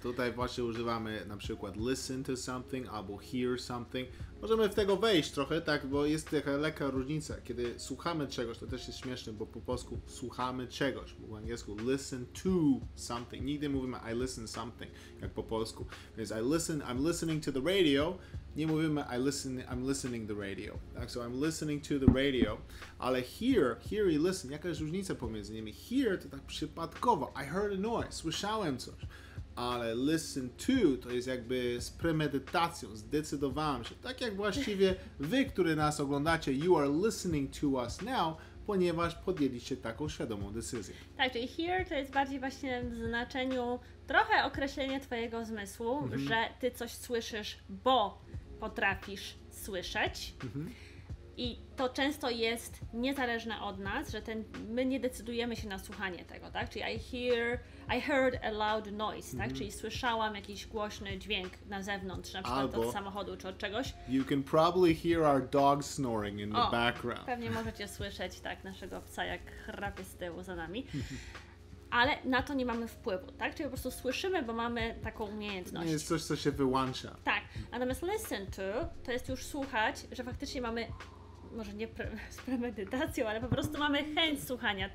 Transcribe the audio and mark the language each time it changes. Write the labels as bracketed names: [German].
[Polish] No tutaj właśnie używamy na przykład [English] listen to something [Polish] albo [English] hear something. [Polish] Możemy w tego wejść trochę, tak, bo jest taka lekka różnica. Kiedy słuchamy czegoś, to też jest śmieszne, bo po polsku słuchamy czegoś. Bo w angielsku [English] listen to something. [Polish] Nigdy mówimy [English] I listen something, [Polish] jak po polsku. [English] Więc I'm listening to the radio. [Polish] Nie mówimy [English] I'm listening the radio. Tak, so I'm listening to the radio. [Polish] Ale hear i listen, jaka jest różnica pomiędzy nimi? Hear to tak przypadkowo. [English] I heard a noise, [Polish] słyszałem coś. Ale listen to jest jakby z premedytacją, zdecydowałem się. Tak jak właściwie wy, który nas oglądacie, [English] you are listening to us now, [Polish] ponieważ podjęliście taką świadomą decyzję. Tak, czyli hear to jest bardziej właśnie w znaczeniu trochę określenie twojego zmysłu, że ty coś słyszysz, bo potrafisz słyszeć. Mm-hmm. I to często jest niezależne od nas, że my nie decydujemy się na słuchanie tego, tak? Czyli [English] I heard a loud noise, [Polish] tak? Czyli słyszałam jakiś głośny dźwięk na zewnątrz, na przykład albo od samochodu czy od czegoś. [English] You can probably hear our dog snoring in the background. [Polish] Pewnie możecie słyszeć tak naszego psa, jak chrapie z tyłu za nami. Ale na to nie mamy wpływu, tak? Czyli po prostu słyszymy, bo mamy taką umiejętność. Nie jest coś, co się wyłącza. Tak. Natomiast listen to jest już słuchać, że faktycznie mamy, może nie z premedytacją, ale po prostu mamy chęć słuchania.